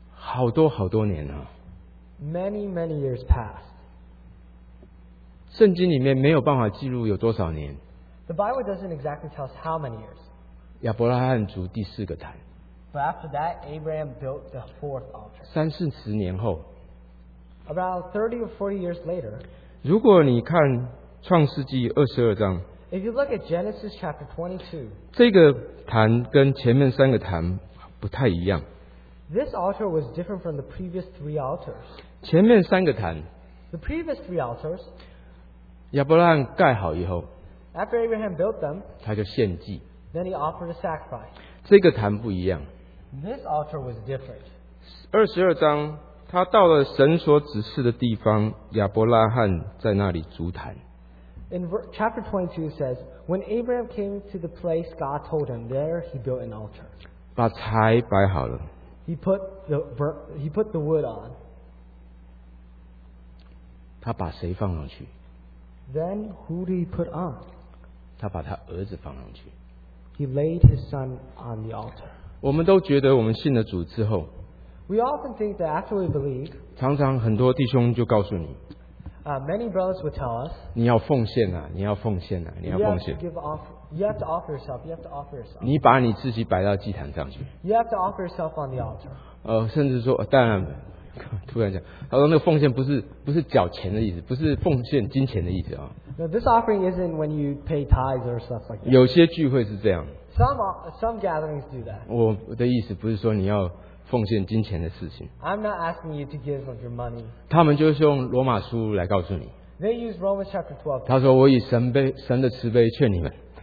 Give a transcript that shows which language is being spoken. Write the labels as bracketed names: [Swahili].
[Chinese] 大概过了好多好多年了。 [English] Many, many years passed. [Chinese] 圣经里面没有办法记录有多少年。 [English] The Bible doesn't exactly tell us how many years. [Chinese] 亚伯拉罕筑第四个坛, [English] but after that, Abraham built the fourth altar. [Chinese] 三四十年后, [English] about 30 or 40 years later, [Chinese] 如果你看创世纪22章, [English] if you look at Genesis chapter 22, [Chinese] 这个坛跟前面三个坛不太一样。 [English] This altar was different from the previous three altars. [Chinese] 前面三个坛, [English] the previous three altars, [Chinese] 亚伯拉罕盖好以后, [English] after Abraham built them, [Chinese] 他就献祭, [English] then he offered a sacrifice. [Chinese] 这个坛不一样, [English] this altar was different. [Chinese] 22章, 他到了神所指示的地方, 亚伯拉罕在那里筑坛。 [English] In chapter 22 says, when Abraham came to the place God told him, there he built an altar. [Chinese] 把柴摆好了, [English] he put the wood on. [Chinese] 他把谁放上去? [English] Then who did he put on? [Chinese] 他把他儿子放上去。 [English] He laid his son on the altar. [Chinese] 我们都觉得我们信了主之后, [English] we often think that after we believe, [Chinese] 常常很多弟兄就告诉你, [English] Many brothers would tell us, [Chinese] 你要奉献啊, [English] you have to offer yourself. [Chinese] 你把你自己摆到祭坛上去, [English] you have to offer yourself on the altar. [Chinese] 甚至说, 当然突然讲, 他说那个奉献不是缴钱的意思, 不是奉献金钱的意思, [English] this offering isn't when you pay tithes or stuff like that. [Chinese] 有些聚会是这样, [English] some gatherings do that. [Chinese] 我的意思不是说你要 [English] I'm not asking you to give of your money. [Chinese] 他们就是用罗马书来告诉你, [English] they use Romans chapter 12. [Chinese] 他说我以神的慈悲劝你们,